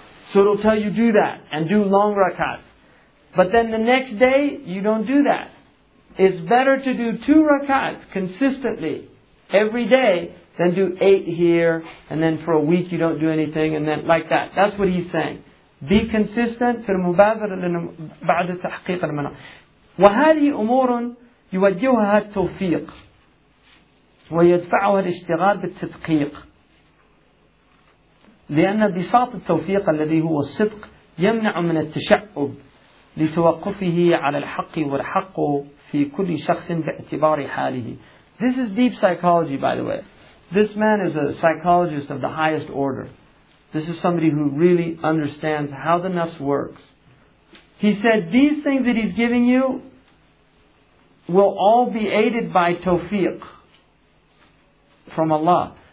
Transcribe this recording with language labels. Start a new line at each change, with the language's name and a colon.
English: So it'll tell you do that and do long rak'ats. But then the next day, you don't do that. It's better to do 2 rak'ats consistently every day than do 8 here and then for a week you don't do anything and then like that. That's what he's saying. Be consistent
Arabic: في المبادرة بعد تحقيق المنع. وهذه أمور يوجهها التوفيق ويدفعها الاشتغال بالتدقيق لأن بساط التوفيق الذي هو الصدق يمنع من التشعب لتوقفه على الحق والحق في كل شخص باعتبار حاله.
English: This is deep psychology, by the way. This man is a psychologist of the highest order. This is somebody who really understands how the nafs works. He said these things that he's giving you will all be aided by tawfiq from Allah.